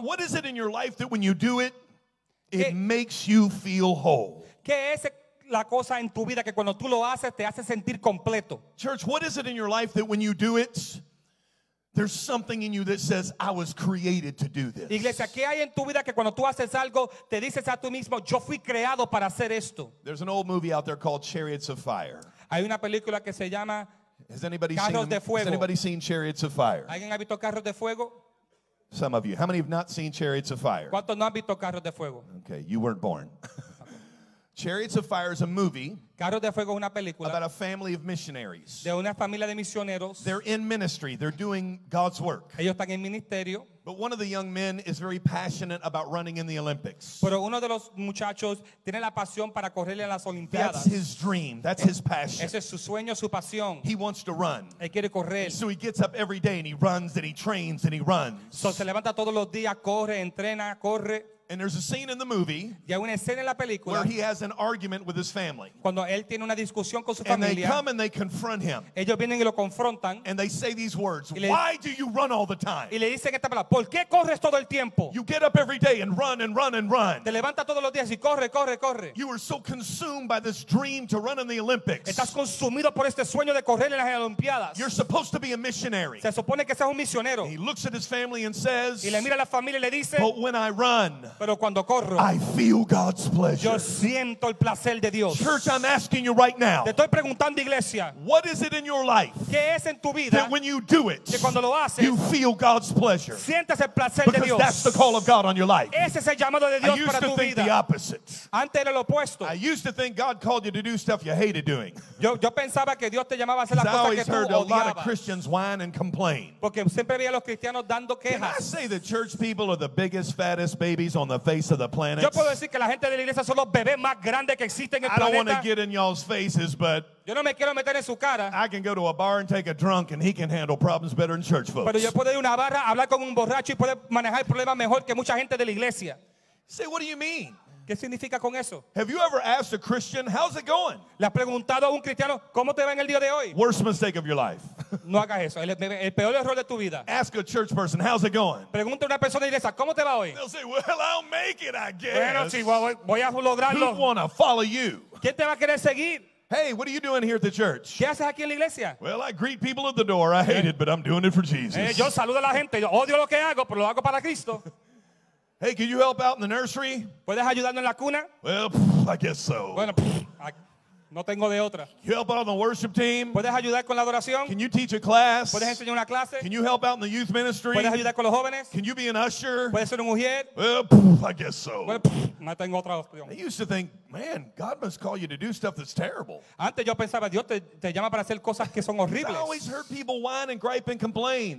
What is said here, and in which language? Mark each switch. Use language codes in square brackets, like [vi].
[en] what is it in your life that when you do it, it makes you feel whole? [es] ¿Qué es la cosa en tu vida que cuando tú lo haces te hace sentir completo? [en] Church, what is it in your life that when you do it, there's something in you that says, I was created to do this? [es] Iglesia, ¿qué hay en tu vida que cuando tú haces algo, te dices a tú mismo, yo fui creado para hacer esto? [en] There's an old movie out there called Chariots of Fire. [es] Hay una película que se llama Carros de Fuego. [en] Has anybody seen Chariots of Fire? [es] ¿Alguien ha visto Carros de Fuego? [en] Some of you. How many have not seen Chariots of Fire? [es] ¿Cuántos no han visto Carros de Fuego? [en] Okay, you weren't born. Chariots of Fire is a movie. [es] Carros de Fuego es una película. [en] About a family of missionaries. [es] De una familia de misioneros. [en] They're in ministry. They're doing God's work. [es] Ellos están en ministerio. [en] But one of the young men is very passionate about running in the Olympics. [es] Pero uno de los muchachos tiene la pasión para correr en las Olimpiadas. [en] That's his dream. That's his passion. [es] Ese es su sueño, su pasión. [en] He wants to run. [es] Él quiere correr. [en] So he gets up every day and he runs and he trains and he runs. [es] So se levanta todos los días, corre, entrena, corre. [en] And there's a scene in the movie where he has an argument with his family. [es] Cuando él tiene una discusión con su [en] and [es] familia, [en] they come and they confront him. [es] Ellos vienen y lo confrontan. [en] And they say these words, why do you run all the time? [es] Y le dicen esta palabra, ¿por qué corres todo el tiempo? [en] You get up every day and run and run and run. [es] Te levanta todos los días y corre, corre, corre. [en] You are so consumed by this dream to run in the Olympics. [es] Estás consumido por este sueño de correr en las Olimpiadas. [en] You're supposed to be a missionary. [es] Se supone que seas un misionero. [en] And he looks at his family and says, [es] y le mira a la familia y le dice, [en] but when I run, [es] pero cuando corro, [en] I feel God's pleasure. [es] Yo siento el placer de Dios. [en] Church, I'm asking you right now. [es] Te estoy preguntando, iglesia. [en] What is it in your life? [es] ¿Qué es en tu vida? [en] That when you do it, [es] que cuando lo haces, [en] you feel God's pleasure. [es] Sientes el placer [en] because [es] de Dios. [en] That's the call of God on your life. [es] Ese es el llamado de Dios [en] I used [es] para [en] to [es] tu [en] think [es] vida. [en] The opposite. [es] Antes era lo opuesto. [en] I used to think God called you to do stuff you hated doing. [es] Yo pensaba que Dios te llamaba a hacer las cosas que tú odiabas. [en] heard a lot of Christians whine and complain. [es] Porque siempre veía a los cristianos dando quejas. [en] Can I say the church people are the biggest, fattest babies on the face of the planet? [es] Yo puedo decir que la gente de la iglesia son los bebés más grandes que existen en el planeta. [en] I don't want to get in y'all's faces, but [es] yo no me quiero meter en su cara. [en] I can go to a bar and take a drunk and he can handle problems better than church folks. [es] Pero yo puedo ir a una barra, hablar con un borracho y puede manejar problemas mejor que mucha gente de la iglesia. [en] Say, what do you mean? [es] ¿Qué significa con eso? [en] Have you ever asked a Christian, how's it going? [es] ¿Le has preguntado a un cristiano cómo te va en el día de hoy? [en] Worst mistake of your life. [es] No hagas eso. El peor error de tu vida. [en] Ask a church person, how's it going? [es] Pregunta a una persona de iglesia, ¿cómo te va hoy? [en] They'll say, well, I'll make it, I guess. [es] Bueno, sí, voy a lograrlo. [en] Who'd want to follow you? [es] ¿Quién te va a querer seguir? [en] Hey, what are you doing here at the church? [es] ¿Qué haces aquí en la iglesia? [en] Well, I greet people at the door. I hate it, but I'm doing it for Jesus. [es] Yo saludo a la gente. Yo odio lo que hago, pero lo hago para Cristo. [en] Hey, can you help out in the nursery? [es] ¿Puedes ayudarme en la cuna? [en] Well, I guess so. [es] Bueno, no tengo de otra. [en] Can you help out on the worship team? [es] ¿Puedes ayudar con la adoración? [en] Can you teach a class? [es] ¿Puedes enseñar una clase? [en] Can you help out in the youth ministry? [es] ¿Puedes ayudar con los jóvenes? [en] Can you be an usher? [es] ¿Puedes ser un ujier? [en] Well, I guess so. [es] Bueno, no tengo otra opción. [en] I used to think, man, God must call you to do stuff that's terrible. [es] Antes yo pensaba, Dios te llama para hacer cosas que son horribles. [en] I always heard people whine and gripe and complain.